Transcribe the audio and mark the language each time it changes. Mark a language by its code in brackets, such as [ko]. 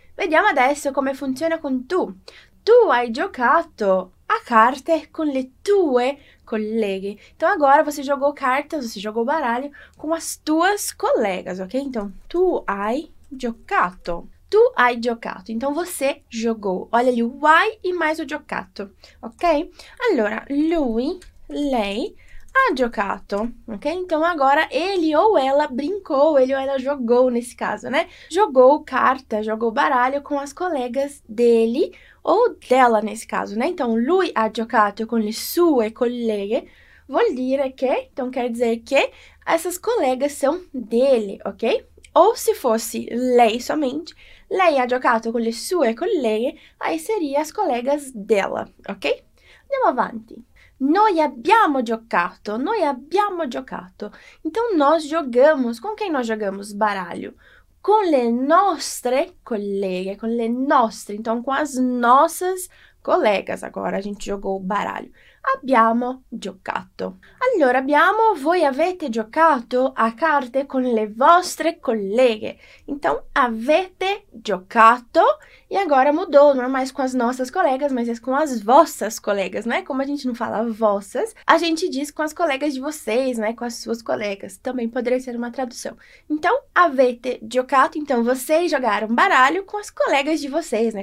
[it] Vediamo adesso come funziona com tu. Tu hai giocato a carte con le tue colleghe. [pt] Então, agora você jogou cartas, você jogou baralho com as tuas colegas, ok? Então, [it] tu hai giocato. Tu hai giocato. [pt] Então, você jogou. Olha ali, o hai e mais o giocato, ok? [it] Allora, lui, lei ha giocato, ok? [pt] Então, agora ele ou ela brincou, ele ou ela jogou nesse caso, né? Jogou carta, jogou baralho com as colegas dele ou dela nesse caso, né? [it] Então, lui ha giocato con le sue colleghe, vuol dire che, [pt] então quer dizer que essas colegas são dele, ok? Ou se fosse lei somente, [it] lei ha giocato con le sue colleghe, [pt] aí seria as colegas dela, ok? [it] Andiamo avanti. Noi abbiamo giocato, noi abbiamo giocato. [pt] Então, nós jogamos, com quem nós jogamos baralho? Com [it] le nostre colleghe, [pt] com [it] le nostre, [pt] então, com as nossas Colegas, agora a gente jogou o baralho. [it] Abbiamo giocato. Allora abbiamo, voi avete giocato a carte con le vostre colleghe. [pt] Então, [it] avete giocato [pt] e agora mudou, não é mais com as nossas colegas, mas é com as vossas colegas, né? Como a gente não fala vossas, a gente diz com as colegas de vocês, né? Com as suas colegas. Também poderia ser uma tradução. Então, avete giocato, então vocês jogaram baralho com as colegas de vocês, né?